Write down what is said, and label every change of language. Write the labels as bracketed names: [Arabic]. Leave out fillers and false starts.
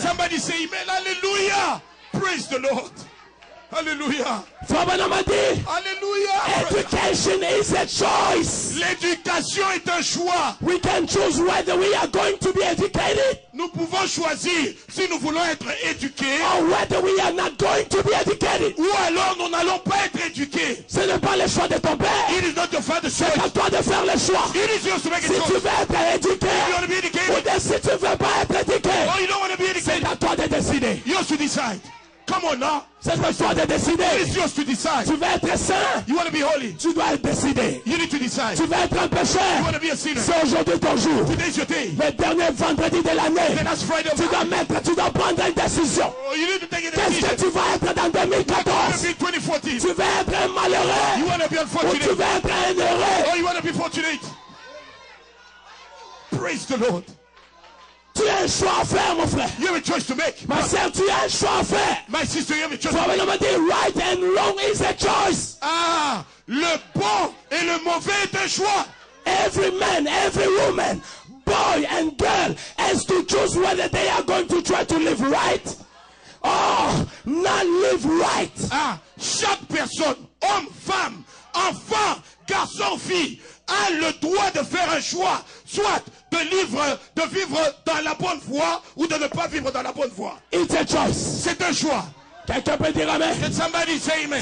[English] Somebody say amen. Alléluia. Praise the Lord. Alléluia. [French] Frère Benoît dit, alléluia. [English] Education is a choice. [French] L'éducation est un choix. [English] We can choose whether we are going to be educated. [French] Nous pouvons choisir si nous voulons être éduqués. [English] Or whether we are not going to be educated. [French] Ou alors nous n'allons pas être éduqués. Ce n'est pas le choix de ton père. [English] It is not your father's choice. [French] C'est à toi de faire le choix. [English] It is yours to make a [French] si [English] choice. [French] Si tu veux être éduqué, [English] if you want to be educated. [French] Ou bien si tu veux pas être éduqué. [English] Or you don't want to be educated. [French] C'est à toi de décider. [English] Yours to decide. Come on now. [French] C'est à toi de décider. [English] It is yours to decide. [French] Tu veux être saint. [English] You want to be holy. [French] Tu dois décider. [English] You need to decide. [French] Tu veux être un pécheur. [English] You want to be a sinner. [French] C'est aujourd'hui ton jour. [English] Today is your day. [French] Le dernier vendredi de l'année. [English] The last Friday of [French] tu dois mettre, tu dois prendre une décision. [English] You need to take a decision. [French] Qu'est-ce que tu vas être dans 2014? [English] You want to be 2014. [French] Tu veux être un malheureux. [English] You want to be unfortunate. [French] Ou tu veux être un heureux. [English] Or you want to be fortunate. Praise the Lord. [French] Tu as un choix à faire, mon frère. [English] You have a choice to make. [French] Ma sœur, tu as un choix à faire. [English] My sister, you have a choice. [French] Frère Benoît dit, [English] right and wrong is a choice. [French] Le bon et le mauvais est un choix. [English] Every man, every woman, boy and girl, has to choose whether they are going to try to live right or not live right. [French] Chaque personne, homme, femme, enfant, garçon, fille, a le droit de faire un choix. Soit de vivre dans la bonne voie ou de ne pas vivre dans la bonne voie. [English] It's a choice. [French] C'est un choix. Quelqu'un peut dire amen. [English] Can somebody say amen?